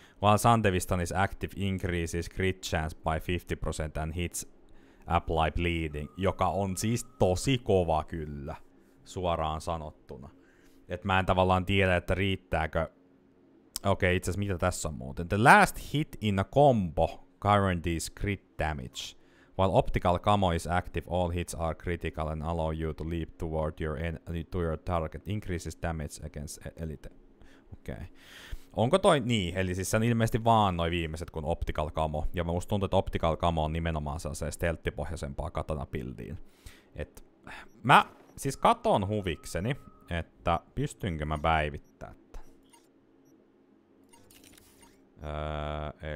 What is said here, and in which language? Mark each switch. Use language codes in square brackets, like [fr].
[en] While Zandevistan is active, increases crit chance by 50% and hits apply bleeding, [fi] joka on siis tosi kova kyllä, suoraan sanottuna. Et mä en tavallaan tiedä, että riittääkö... Okei, itse asiassa mitä tässä on muuten? [en] The last hit in a combo guarantees crit damage. While optical camo is active, all hits are critical and allow you to leap toward your to your target. Increases damage against elite. [fi] Okei. Onko toi niin? Eli siis se on ilmeisesti vaan noi viimeiset kuin optical camo. Ja musta tuntuu, että optical camo on nimenomaan sellaiseen stelttipohjaisempaan katanapildiin. Et mä siis katon huvikseni, että pystynkö mä päivittää tämän.